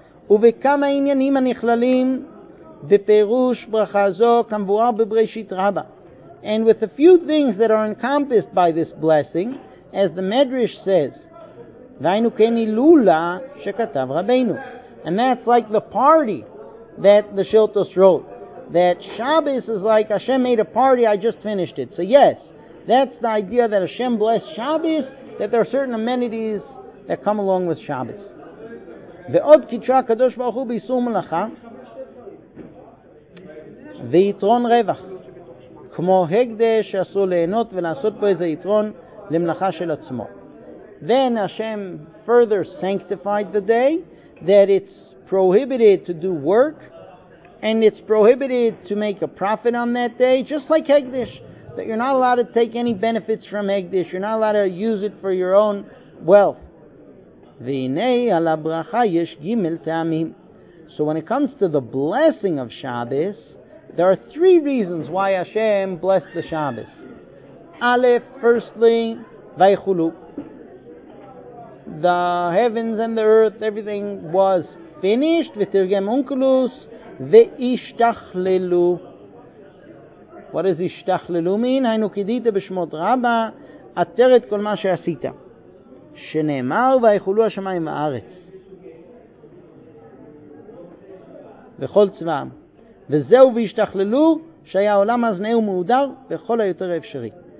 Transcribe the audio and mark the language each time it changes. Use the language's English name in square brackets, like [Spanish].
[Hebrew] ובכמה עניינים הנכללים בפירוש ברכה זו כמבואר בבראשית רבה. [English] And with a few things that are encompassed by this blessing, as the Medrash says, [Hebrew] והיינו כן הילולה שכתב רבינו. [English] And that's like the party that the Shiltos wrote. That Shabbos is like, Hashem made a party, I just finished it. So yes, that's the idea that Hashem blessed Shabbos, that there are certain amenities that come along with Shabbos. [Hebrew] ועוד קיצרה הקדוש ברוך הוא באיסור מלאכה ויתרון רווח כמו הקדש שאסור ליהנות ולעשות פה איזה יתרון למלאכה של עצמו. [English] Then Hashem further sanctified the day that it's prohibited to do work and it's prohibited to make a profit on that day, just like hekdesh, that you're not allowed to take any benefits from hekdesh, you're not allowed to use it for your own wealth. [Hebrew] והנה על הברכה יש גימל טעמים. [English] So when it comes to the blessing of Shabbos, there are three reasons why Hashem blessed the Shabbos. Aleph, firstly, vayichulu. The heavens and the earth, everything was finished. [Hebrew] V'tirgem unkulus, v'ishtachlelu. [English] What does ishtachlelu mean? [Hebrew] Haynu kidita b'shmot rabba, ateret kol ma she'asita. שנאמר ויחולו השמיים והארץ וכל צבאם וזהו וישתכללו שהיה העולם אז נאה ומעודר וכל היותר אפשרי.